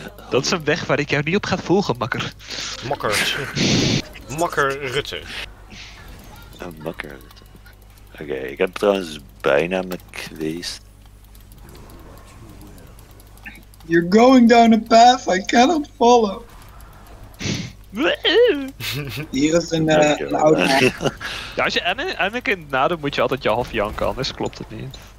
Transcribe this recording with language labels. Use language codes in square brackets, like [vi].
[nl] Dat is een weg waar ik jou niet op ga volgen, makker. Makker. Makker Rutte. Makker Rutte. Oké, okay, ik heb trouwens bijna mijn quest. [en] You're going down a path I cannot follow. [nl] Hier is een oude ja, als je Anakin nadoet, moet je altijd je half janken, anders klopt het niet.